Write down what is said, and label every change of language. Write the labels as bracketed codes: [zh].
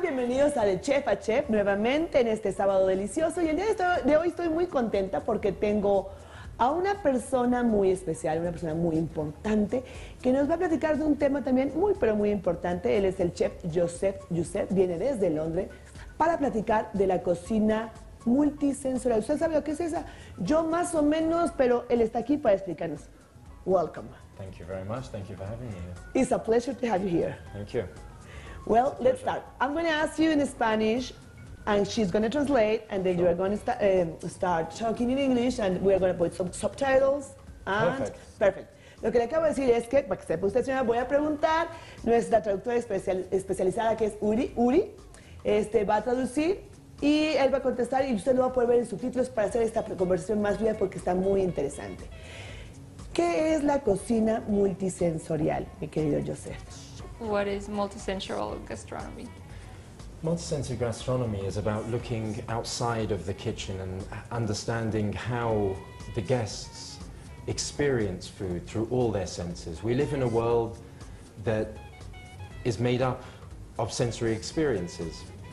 [es] Bienvenidos a De Chef a Chef nuevamente en este sábado delicioso. Y el día de hoy estoy muy contenta porque tengo a una persona muy especial, una persona muy importante, que nos va a platicar de un tema también muy, pero muy importante. Él es el chef Josef Youssef, viene desde Londres para platicar de la cocina multisensorial. ¿Usted sabe lo que es esa? Yo más o menos, pero él está aquí para explicarnos. [en] Welcome. Thank you very much. Thank you for having me. It's a pleasure to have you here. Thank you. Well, let's start. I'm going to ask you in Spanish, and she's going to translate, and then you're going to start talking in English, and we're going to put some subtitles. And perfect. [es] Lo que le acabo de decir es que, para que sepa usted, señora, voy a preguntar. Nuestra traductora especializada, que es Uri, va a traducir, y él va a contestar, y usted lo va a poder ver en subtítulos para hacer esta conversación más fluida, porque está muy interesante. ¿Qué es la cocina multisensorial, mi querido Josef? [en] What is multisensorial gastronomy? Multisensory gastronomy is about looking outside of the kitchen and understanding how the guests experience food through all their senses. We live in a world that is made up of sensory experiences.